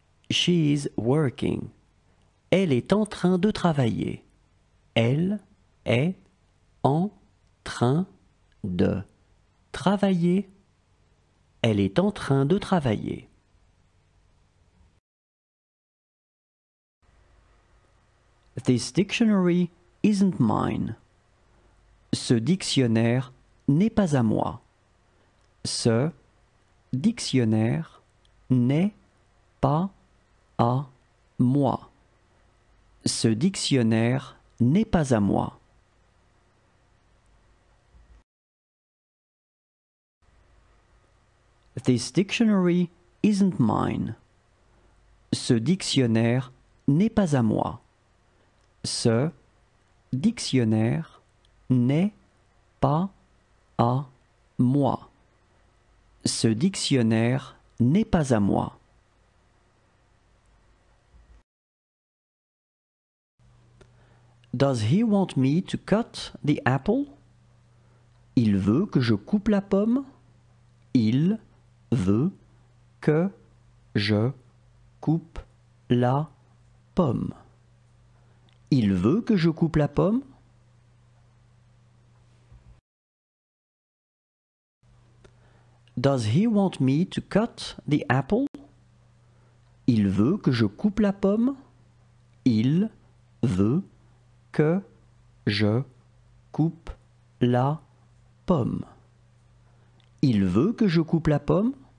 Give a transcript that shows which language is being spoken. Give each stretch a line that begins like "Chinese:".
English: She is working.
French: Elle est en train de travailler. Elle est en train de travailler. Elle est en train de travailler.
English: This dictionary isn't mine.
French: Ce dictionnaire n'est pas à moi. Ce dictionnaire n'est pas à moi. Ce dictionnaire n'est pas à moi.
English: This dictionary isn't mine.
French: Ce dictionnaire n'est pas à moi. Ce dictionnaire n'est pas à moi. Ce dictionnaire n'est pas à moi.
English: Does he want me to cut the apple?
French: Il veut que je coupe la pomme? Il veut que je coupe la pomme. Il veut que je coupe la pomme?
English: Does he want me to cut the apple?
French: Il veut que je coupe la pomme? Il veut que je coupe la pomme. Il veut que je coupe la pomme?